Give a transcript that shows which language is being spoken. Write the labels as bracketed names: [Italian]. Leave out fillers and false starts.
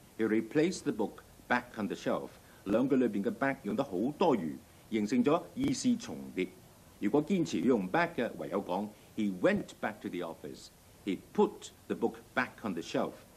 [English] He replaced the book back on the shelf. [Chinese] 兩句裏面的 back 用得很多餘，形成了意思重疊。如果堅持用 back 的，唯有講 [English] He went back to the office. He put the book back on the shelf.